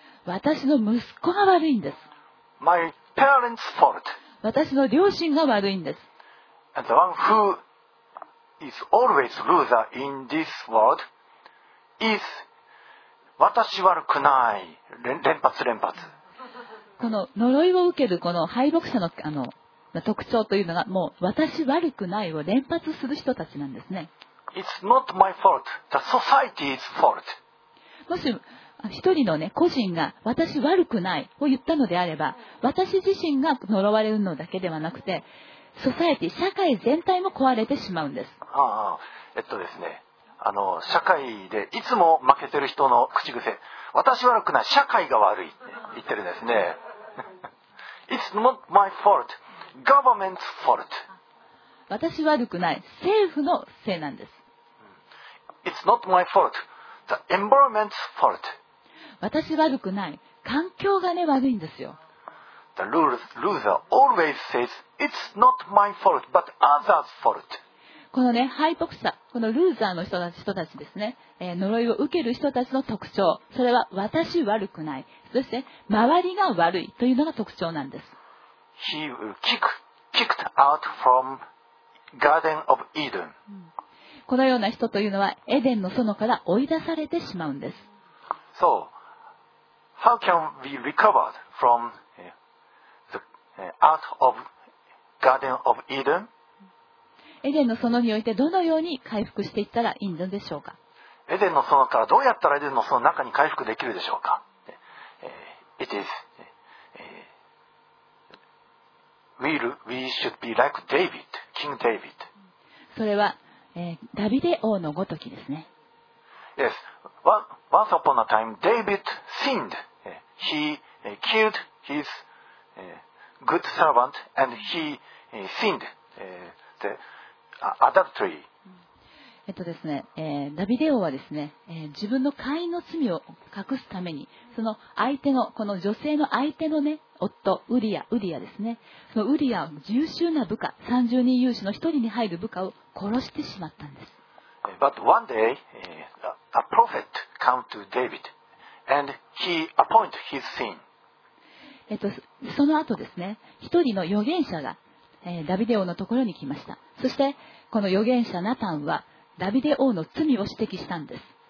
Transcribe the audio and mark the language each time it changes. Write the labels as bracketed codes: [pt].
[ja] 私の息子が悪いんです。 [en] My parents' fault. [ja] 私の両親が悪いんです。 [en] And the one who is always loser in this world. [ja] Is, 私悪くない 連発。この呪いを受けるこの敗北者 の特徴というのが、もう私悪くないを連発する人たちなんですね。 [en] It's not my fault. The society's fault. [ja] もし一人の、ね、個人が私悪くないを言ったのであれば、私自身が呪われるのだけではなくて、ソサエティ、社会全体も壊れてしまうんです。ああ、ですね。社会でいつも負けてる人の口癖、私悪くない、社会が悪いって言ってるんですね。 [en] It's not my fault. Government's fault. [ja] 私悪くない、政府のせいなんです。 [en] It's not my fault. The environment's fault. [ja] 私悪くない、環境がね悪いんですよ。 [en] The loser always says, It's not my fault, but others' fault. [ja] このね、敗北者、このルーザーの人たちですね、呪いを受ける人たちの特徴、それは私悪くない、そして周りが悪いというのが特徴なんです。 [en] He kicked out from Garden of Eden. [ja] このような人というのは、エデンの園から追い出されてしまうんです。 [en] So, how can we recover from the out of Garden of Eden? [ja] エデンの園においてどのように回復していったらいいのでしょうか。エデンの園からどうやったらエデンの園の中に回復できるでしょうか。 [en] It is, we should be like David, King David. [ja] それは、ダビデ王のごときですね。 [en] Yes, once upon a time, David sinned. He killed his good servant and he sinned. The,Adultery. [ja] ですね、ダビデ王はですね、自分の姦淫の罪を隠すために、その相手のこの女性の相手のね、夫ウリアですね、そのウリアを優秀な部下、30人勇士の一人に入る部下を殺してしまったんです。 [en] But one day, a prophet came to David and he appointed his sin. [ja] その後ですね、一人の預言者がダビデ王のところに来ました。そしてこの預言者ナタンはダビデ王の罪を指摘したんです。